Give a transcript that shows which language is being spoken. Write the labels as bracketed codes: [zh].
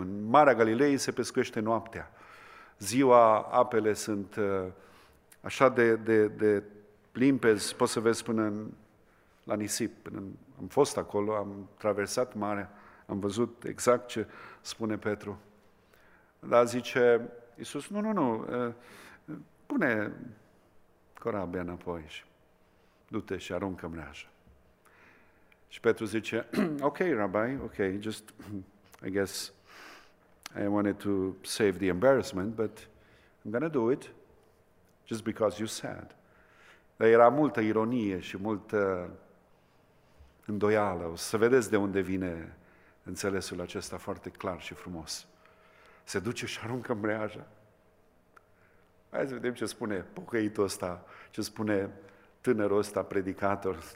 [ro] În Marea Galilei se pescuiește noaptea. Ziua, apele sunt așa de limpezi, poți să vezi până la nisip, până am fost acolo, am traversat marea, am văzut exact ce spune Petru. Dar zice Iisus, nu, pune corabia înapoi și du-te și aruncă mreaja. Și Petru zice, [en] ok, rabbi, ok, just, I guess, I wanted to save the embarrassment, but I'm gonna do it just because you said. [ro] Dar era multă ironie și multă îndoială. O să vedeți de unde vine înțelesul acesta foarte clar și frumos. Se duce și aruncă mreaja. Hai să vedem ce spune pocăitul ăsta, ce spune tânărul ăsta, predicator.